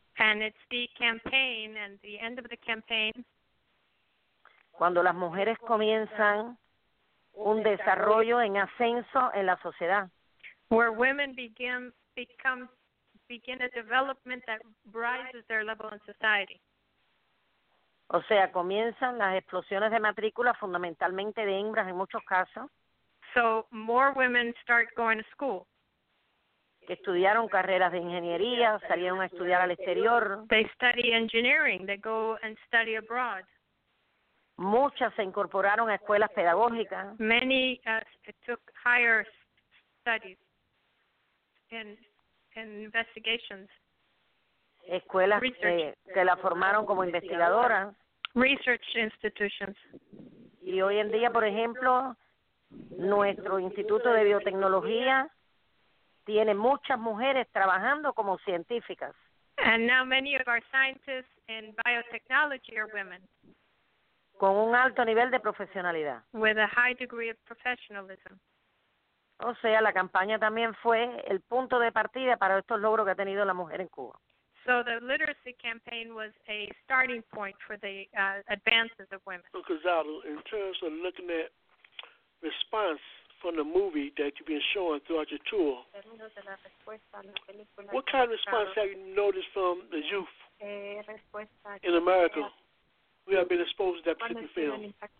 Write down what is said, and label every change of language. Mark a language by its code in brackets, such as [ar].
[en] And it's the campaign and the end of the campaign. [es] Cuando las mujeres comienzan un desarrollo en ascenso en la sociedad. [en] Where women begin a development that rises their level in society. [es] O sea, comienzan las explosiones de matrícula, fundamentalmente de hembras en muchos casos. [en] So, more women start going to school. [es] Que estudiaron carreras de ingeniería, salieron a estudiar al exterior. [en] They study engineering, they go and study abroad. [es] Muchas se incorporaron a escuelas pedagógicas. [en] Many took higher studies and investigations. [es] Escuelas que la formaron como investigadora. [en] Research institutions. [es] Y hoy en día, por ejemplo, nuestro Instituto de Biotecnología tiene muchas mujeres trabajando como científicas. [en] And now many of our scientists in biotechnology are women. [es] Con un alto nivel de profesionalidad. [en] With a high degree of professionalism. [es] O sea, la campaña también fue el punto de partida para estos logros que ha tenido la mujer en Cuba. [en] So the literacy campaign was a starting point for the advances of women. So, Cazado, in terms of looking at response from the movie that you've been showing throughout your tour, what kind of response have you noticed from the youth in America who have been exposed to that particular film?